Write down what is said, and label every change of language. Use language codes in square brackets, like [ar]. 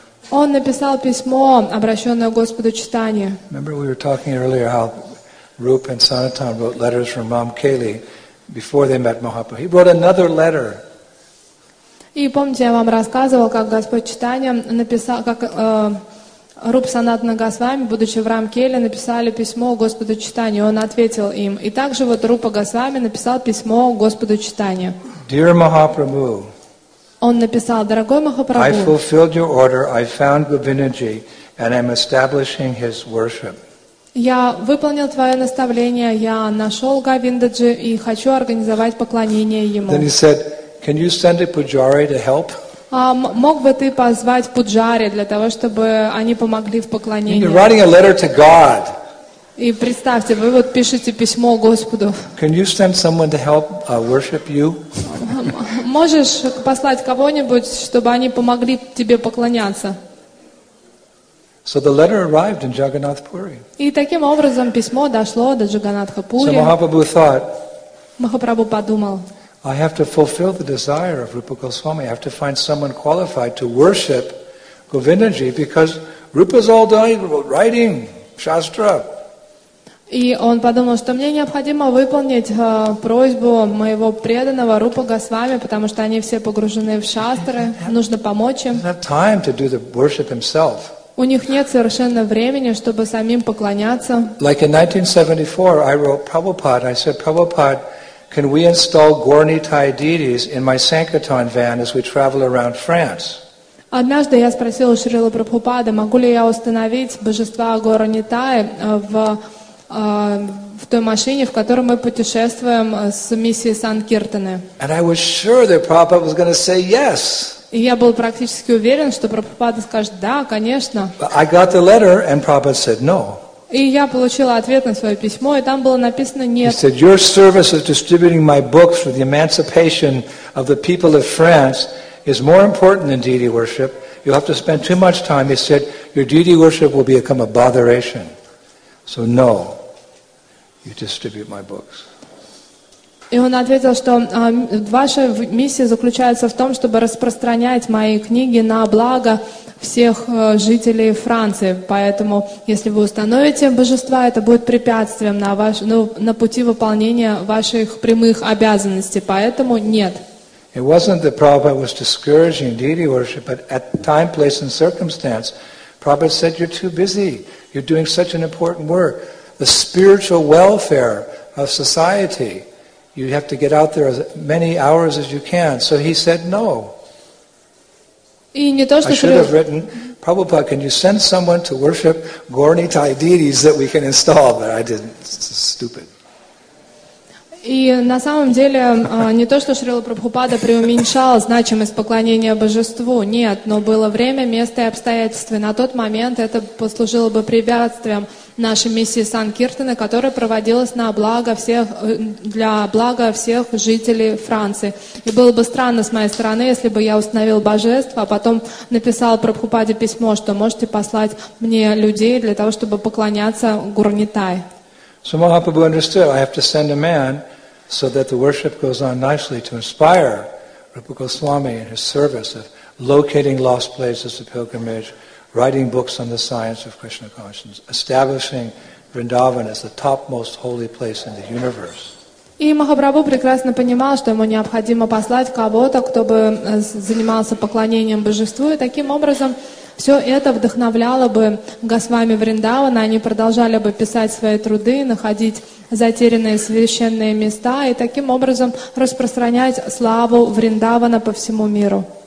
[ru] Он написал письмо, обращенное Господу Чайтанье. [en] Remember, we were talking earlier how Rupa and Sanatana wrote letters from Mom Kaylee before they met Mahaprabhu. He wrote another letter. [ru] И помните, я вам рассказывал, как Господь Чайтанья написал, как Рупа и Санатана Госвами, будучи в Рамкеле, написали письмо Господу Чайтанье. Он ответил им. И также вот Рупа Госвами написал письмо Господу Чайтанье. [en] Dear Mahaprabhu. [ru] Он написал: «Дорогой Махапрабху. [en] I fulfilled your order. I found Govindaji, and I'm establishing his worship. [ru] Я выполнил твое наставление, я нашел Говиндаджи и хочу организовать поклонение ему. [en] Then he said, can you send a pujari to help? [ru] Мог бы ты позвать пуджари для того, чтобы они помогли в поклонении? [en] You're writing a letter to God. [ru] И представьте, вы вот пишете письмо Господу. [en] Can you send someone to help worship you? [ru] Можешь послать кого-нибудь, чтобы они помогли тебе поклоняться? [en] So the letter arrived in Jagannath Puri. [ru] И таким образом письмо дошло до Джаганнатха Пури. [en] So Mahaprabhu thought, [ru] Махапрабху подумал, [en] I have to fulfill the desire of Rupa Goswami. I have to find someone qualified to worship Govindaji because Rupa's all done writing shastra. [ru] И он подумал, что мне необходимо выполнить просьбу моего преданного Рупа Госвами, потому что они все погружены в шастры, нужно помочь им. [en] He had time to do the worship himself. [ru] У них нет совершенно времени, чтобы самим поклоняться. [en] Like in 1974, I wrote Prabhupada. I said, Prabhupada, Can we install Gornitai deities in my Sankirtan van as we travel around France? [ru] Однажды я спросила Шрилу Прабхупада, могу ли я установить божества Горнитай в той машине, в которой мы путешествуем с миссией Санкиртаны. [en] And I was sure that Prabhupada was going to say yes. [ru] И я был практически уверен, что Прабхупада скажет да, конечно. [en] But I got the letter, and Prabhupada said no. [ru] И я получила ответ на свое письмо, и там было написано нет. [en] He said, your service of distributing my books for the emancipation of the people of France is more important than deity worship. You'll have to spend too much time. He said, your deity worship will become a botheration. So no, you distribute my books. [ru] И он ответил, что ваша миссия заключается в том, чтобы распространять мои книги на благо всех жителей Франции. Поэтому, если вы установите божества, это будет препятствием на пути выполнения ваших прямых обязанностей. Поэтому нет. [en] It wasn't that Prabhupada was discouraging deity worship, but at time, place, and circumstance, Prabhupada said, you're too busy. You're doing such an important work. The spiritual welfare of society, you have to get out there as many hours as you can. So he said, no. [ru] И не то, что [en] I should have written, Prabhupada, can you send someone to worship Gornitai deities that we can install? But I didn't. It's stupid. [ru] И на самом деле, не то, что Шрила Прабхупада преуменьшал значимость поклонения божеству, нет, но было время, место и обстоятельства. На тот момент это послужило бы препятствием нашей миссии Санкиртаны, которая проводилась на благо всех, для блага всех жителей Франции. И было бы странно с моей стороны, если бы я установил божество, а потом написал Прабхупаде письмо, что можете послать мне людей для того, чтобы поклоняться Гурнитай. [en] So Mahaprabhu understood, I have to send a man so that the worship goes on nicely to inspire Rupa Goswami in his service of locating lost places of pilgrimage, writing books on the science of Krishna consciousness, establishing Vrindavan as the topmost holy place in the universe. [ru] И Махапрабху прекрасно понимал, что ему необходимо послать кого-то, кто бы занимался поклонением божеству, и таким образом все это вдохновляло бы Госвами Вриндавана, они продолжали бы писать свои труды, находить затерянные священные места и таким образом распространять славу Вриндавана по всему миру.